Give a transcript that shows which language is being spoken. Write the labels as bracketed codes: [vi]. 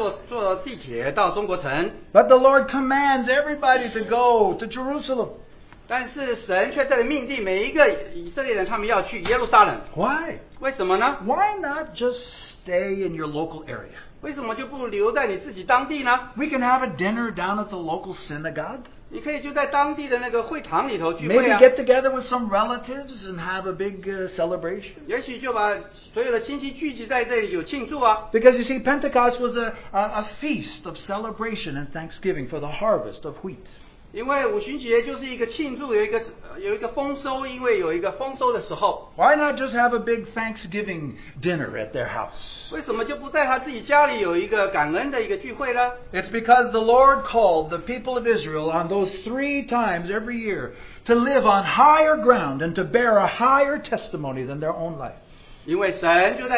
[zh] 弟兄和他姊妹就是坐地铁到中国城。 [en] But the Lord commands everybody to go to Jerusalem. [zh] 但是神却在命令每一个以色列人，他们要去耶路撒冷。 [en] Why? [zh] 为什么呢？ [en] Why not just stay in your local area? [zh] 为什么就不留在你自己当地呢？ [en] We can have a dinner down at the local synagogue. [zh] 你可以就在当地的那个会堂里头聚会啊。 [en] Maybe get together with some relatives and have a big celebration. [zh] 也许就把所有的亲戚聚集在这里有庆祝啊。 [en] Because you see, Pentecost was a feast of celebration and thanksgiving for the harvest of wheat. [zh] 因为五旬节就是一个庆祝，有一个丰收，因为有一个丰收的时候。 [en] Why not just have a big Thanksgiving dinner at their house? [zh] 为什么就不在他自己家里有一个感恩的一个聚会呢？ [en] It's because the Lord called the people of Israel on those 3 times every year to live on higher ground and to bear a higher testimony than their own life.